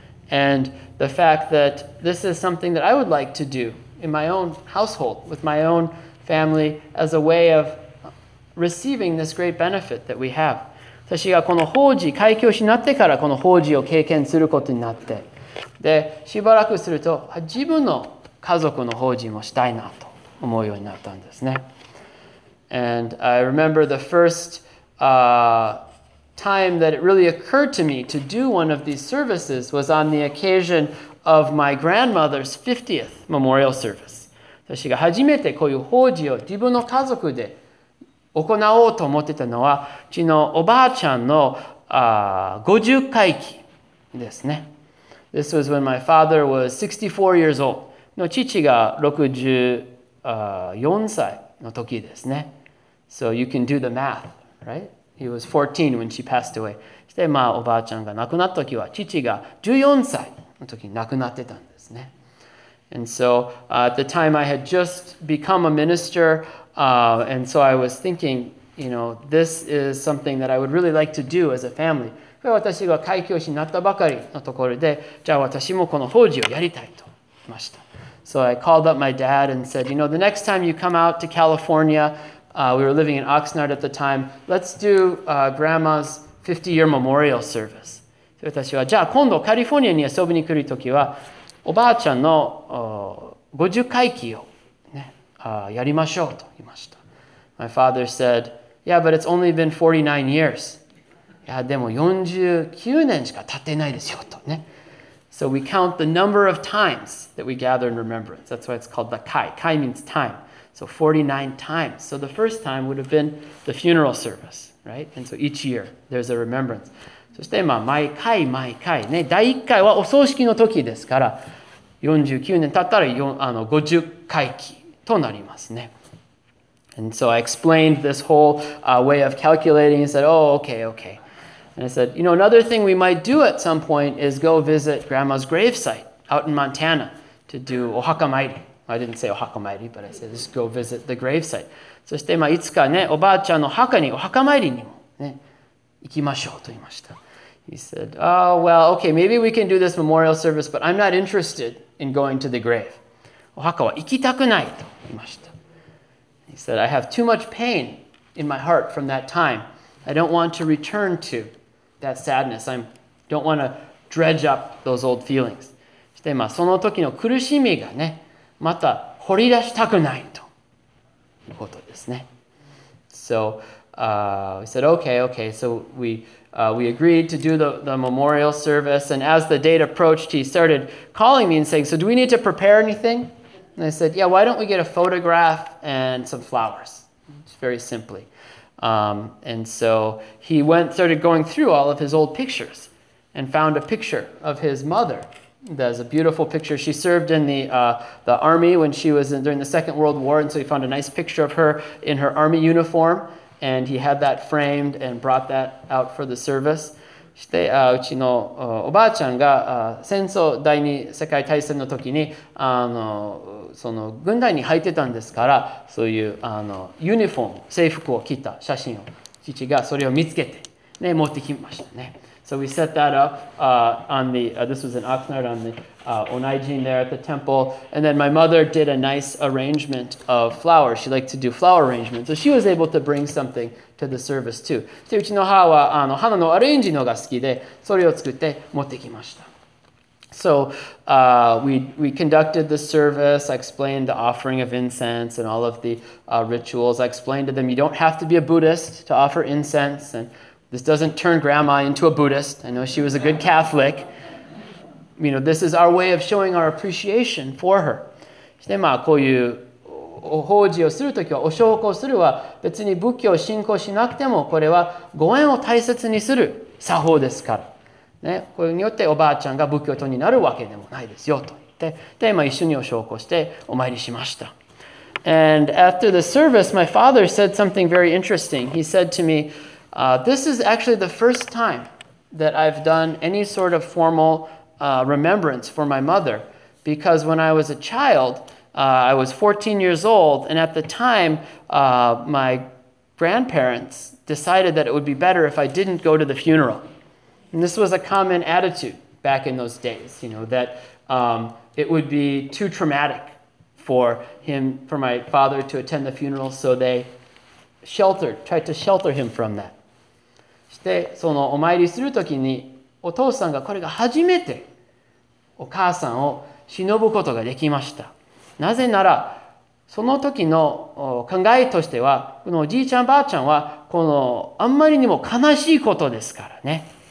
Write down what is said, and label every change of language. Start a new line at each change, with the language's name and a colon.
English: And the fact that this is something that I would like to do in my own household, with my own family, as a way of receiving this great benefit that we have.
Japanese: 私がこの法事、開教師になってからこの法事を経験することになって、で、しばらくすると、自分の家族の法事もしたいなと思うようになったんですね。
English: And I remember the first time that it really occurred to me to do one of these services was on the occasion of my grandmother's 50th memorial service.
Japanese: 私が初めてこういう法事を自分の家族で行おうと思ってたのは、うちのおばあちゃんの50回忌ですね。
English: This was when my father was 64 years old.
Japanese: の父が64歳の時ですね。
English: So you can do the math, right? He was 14 when she passed away.
Japanese: そして、まあ、おばあちゃんが亡くなった時は、父が14歳の時に亡くなってたんですね。
English: And so, at the time I had just become a minister, and so I was thinking, you know, this is something that I would really like to do as a family,
Japanese: これは私が開教師になったばかりのところで、じゃあ私もこの法事をやりたいと言いました。
English: So I called up my dad and said, you know, the next time you come out to California, we were living in Oxnard at the time, let's do grandma's 50-year memorial service.
Japanese: 私はじゃあ今度カリフォルニアに遊びに来るときは、おばあちゃんの50回忌を、ね、やりましょうと言いました。
English: My father said, yeah, but it's only been 49 years.
Japanese: いやでも49年しか経ってないですよとね。
English: So we count the number of times that we gather in remembrance. That's why it's called the Kai. Kai means time. So 49 times. So the first time would have been the funeral service, right? And so each year there's a remembrance.
Japanese: そしてまあ毎回毎回ね、第1回はお葬式の時ですから、49年経ったら50回忌となりますね。
English: And so I explained this whole way of calculating and said, oh, okay, okay. And I said, you know, another thing we might do at some point is go visit grandma's gravesite out in Montana to do ohakamairi. I didn't say ohakamairi, but I said, just go visit the gravesite.
Japanese: そして、まあ、いつかね、おばあちゃんの墓に、お墓参りにもね、行きましょうと言いました。
English: He said, oh, well, okay, maybe we can do this memorial service, but I'm not interested in going to the grave.
Japanese: お墓は行きたくないと言いました。
English: He said, I have too much pain in my heart from that time. I don't want to return to that sadness. I don't want to dredge up those old feelings.
Japanese: そして、まあ、その時の苦しみがね、また掘り出したくないということですね。
English: So, we said, okay, okay. So we agreed to do the memorial service. And as the date approached, he started calling me and saying, so do we need to prepare anything? And I said, yeah, why don't we get a photograph and some flowers? It's very simply. And so he started going through all of his old pictures and found a picture of his mother. That's a beautiful picture. She served in the army when she was during the Second World War. And so he found a nice picture of her in her army uniform. And he had that framed and brought that out for the service.
Japanese: そして、うちのおばあちゃんが戦争第二世界大戦の時にその軍隊に入ってたんですから、そういうユニフォーム、制服を着た写真を父がそれを見つけて、ね、持ってきましたね。
English: So we set that up on the, this was in Oxnard, on the Onaijin there at the temple. And then my mother did a nice arrangement of flowers. She liked to do flower arrangements. So she was able to bring something to the service too.
Japanese: で、うちの母は花のアレンジのが好きで、それを作って持ってきました。
English: So we conducted the service. I explained the offering of incense and all of the rituals. I explained to them, you don't have to be a Buddhist to offer incense and... This doesn't turn grandma into a Buddhist. I know she was a good Catholic. You know, this is our way of showing our appreciation for her.
Japanese: そして、まあ、こういう法事をするときは、お焼香するは、別に仏教を信仰しなくても、これはご縁を大切にする作法ですから。ね、これによっておばあちゃんが仏教徒になるわけでもないですよと言って、で、まあ、一緒にお焼香してお参りしました。
English: And after the service, my father said something very interesting. He said to me,this is actually the first time that I've done any sort of formal remembrance for my mother because when I was a child, I was 14 years old and at the time, my grandparents decided that it would be better if I didn't go to the funeral. And this was a common attitude back in those days, you know, that it would be too traumatic for my father to attend the funeral, so they tried to shelter him from that.
Japanese: そして、そのお参りするときに、お父さんがこれが初めてお母さんを偲ぶことができました。なぜなら、その時の考えとしては、このおじいちゃんばあちゃんは、このあんまりにも悲しいことですからね。